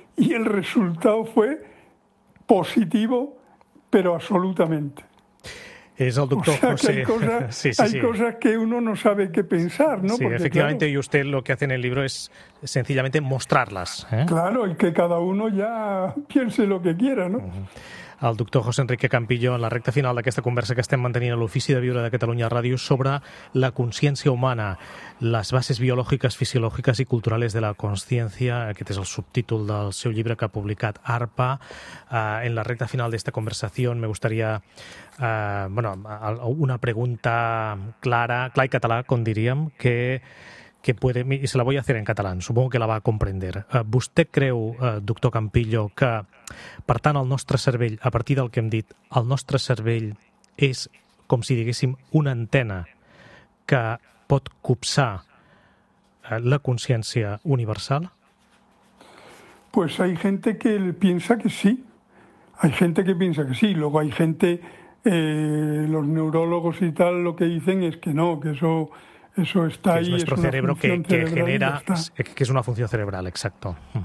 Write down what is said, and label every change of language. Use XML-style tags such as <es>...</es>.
<es>Y el resultado fue positivo, pero absolutamente. Es el doctor, o sea, José. Cosas que uno no sabe qué pensar, ¿no? Sí, porque, efectivamente, claro, y usted lo que hace en el libro es sencillamente mostrarlas, ¿eh? Claro, y que cada uno ya piense lo que quiera, ¿no? Uh-huh.</es> <ca>El doctor José Enrique Campillo, en la recta final d'aquesta conversa que estem mantenint a l'Ofici de Viure de Catalunya Ràdio sobre la consciència humana, les bases biològiques, fisiològiques i culturals de la consciència. Aquest és el subtítol del seu llibre que ha publicat ARPA.</ca> <es>En la recta final d'esta conversació me gustaría, una pregunta clara,</es> <ca>clar i català, com diríem,</ca> <es>que puede, y se la voy a hacer en catalán, supongo que la va a comprender.</es> <ca>¿Vostè creu, doctor Campillo, que, per tant, el nostre cervell, a partir del que hem dit, el nostre cervell és com si diguéssim una antena que pot copsar la consciència universal?</ca> <es>Pues hay gente que piensa que sí. Hay gente que piensa que sí. Luego hay gente, los neurólogos y tal, lo que dicen es que no, que eso... Eso está ahí, es nuestro cerebro que genera, que es una función cerebral, exacto.</es>